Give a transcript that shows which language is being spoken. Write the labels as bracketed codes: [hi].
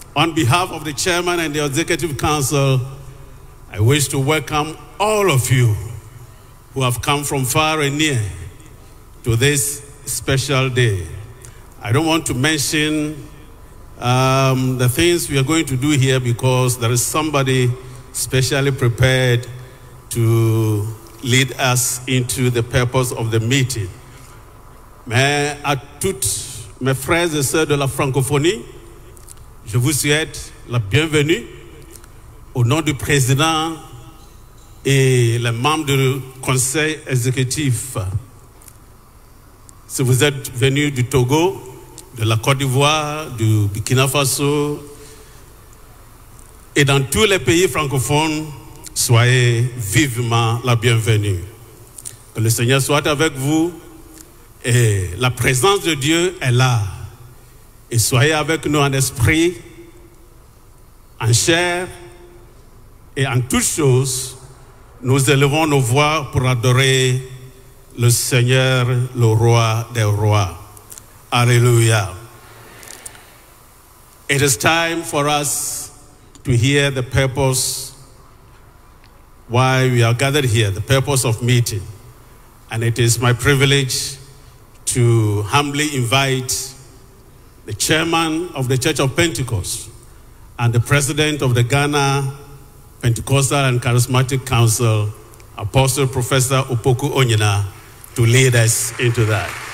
[en] On behalf of the chairman and the executive council, I wish to welcome all of you who have come from far and near to this special day. I don't want to mention the things we are going to do here because there is somebody specially prepared to lead us into the purpose of the meeting. [fr] Mais à toutes mes frères et sœurs de la francophonie, je vous souhaite la bienvenue au nom du président et les membres du conseil exécutif. Si vous êtes venu du Togo, de la Côte d'Ivoire, du Burkina Faso et dans tous les pays francophones, soyez vivement la bienvenue. Que le Seigneur soit avec vous et la présence de Dieu est là. Et soyez avec nous en esprit, en chair et en toutes choses, nous élevons nos voix pour adorer le Seigneur, le Roi des Rois. Alléluia. [en] It is time for us to hear the purpose why we are gathered here, the purpose of meeting. And it is my privilege to humbly invite the chairman of the Church of Pentecost and the president of the Ghana Pentecostal and Charismatic Council, Apostle Professor Opoku Onyina, to lead us into that.